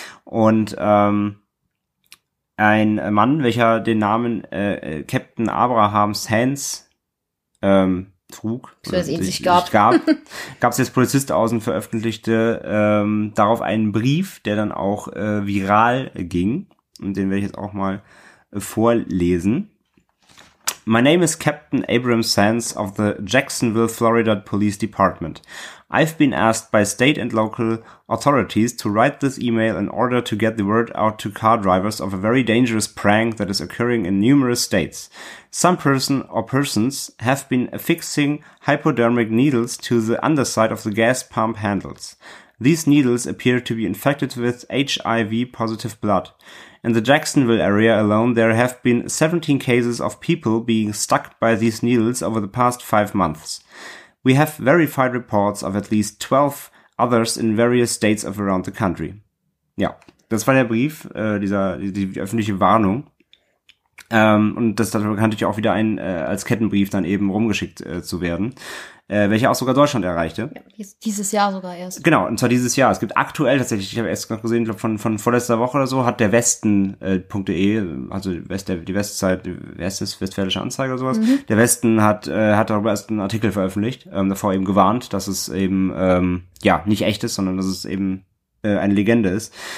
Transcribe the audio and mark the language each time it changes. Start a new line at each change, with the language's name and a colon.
German: Und ein Mann, welcher den Namen Captain Abraham Sands trug, gab es jetzt Polizist aus und veröffentlichte darauf einen Brief, der dann auch viral ging. Und den werde ich jetzt auch mal vorlesen.
English: My name is Captain Abraham Sands of the Jacksonville, Florida Police Department. I've been asked by state and local authorities to write this email in order to get the word out to car drivers of a very dangerous prank that is occurring in numerous states. Some person or persons have been affixing hypodermic needles to the underside of the gas pump handles. These needles appear to be infected with HIV-positive blood. In the Jacksonville area alone, there have been 17 cases of people being stuck by these needles over the past 5 months. We have verified reports of at least 12 others in various states of around the country.
German: Ja, das war der Brief, die öffentliche Warnung. Und das dadurch kann natürlich auch wieder ein als Kettenbrief dann eben rumgeschickt zu werden, welcher auch sogar Deutschland erreichte. Ja, dieses Jahr sogar erst. Genau, und zwar dieses Jahr. Es gibt aktuell tatsächlich, ich habe erst noch gesehen, ich glaube von vorletzter Woche oder so, hat der Westen.de, also die Westzeit, Westfälische Anzeige oder sowas, der Westen hat darüber erst einen Artikel veröffentlicht, davor eben gewarnt, dass es eben nicht echt ist, sondern dass es eben eine Legende ist.